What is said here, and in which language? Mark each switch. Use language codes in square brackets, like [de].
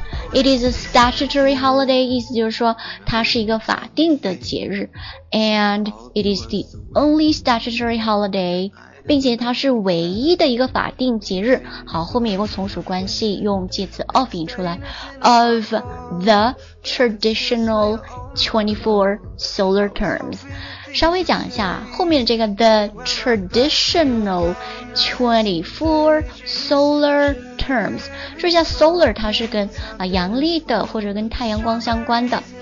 [en] It is a statutory holiday， [zh] 意思就是说它是一个法定的节日。 [en] And it is the only statutory holiday， [zh] 并且它是唯一的一个法定节日。好，后面有个从属关系，用介词 of 引出来 ， [en] of the traditional 24 solar terms。 [zh] 稍微讲一下后面这个 [en] the traditional 24 solar terms， [zh] 说一下 solar 它是跟阳历的或者跟太阳光相关的。